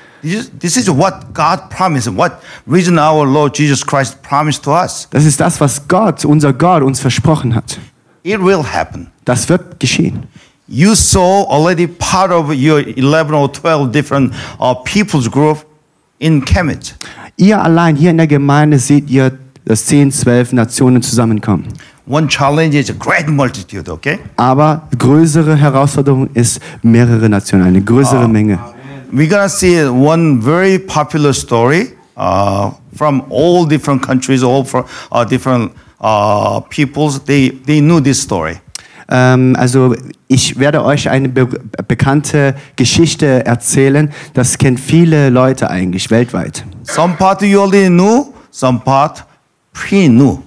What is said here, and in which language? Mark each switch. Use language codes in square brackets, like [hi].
[en] This is what God promised, what reason our Lord Jesus Christ promised to us. [de] Das ist das, was Gott, unser Gott, uns versprochen hat. [en] It will happen. [de] Das wird geschehen. [en] You saw already part of your 11 or 12 different people's group in Chemnitz. [de] Ihr allein hier in der Gemeinde seht ihr, dass 10, 12 Nationen zusammenkommen. [en] One challenge is a great multitude, okay? [de] Aber größere Herausforderung ist mehrere Nationen, eine größere Menge. [en] We're gonna see one very popular story from all different countries, all from different peoples. They knew this story. [de] Also ich werde euch eine bekannte Geschichte erzählen. Das kennt viele Leute eigentlich weltweit. [en] Some part you already knew, some part pre-new.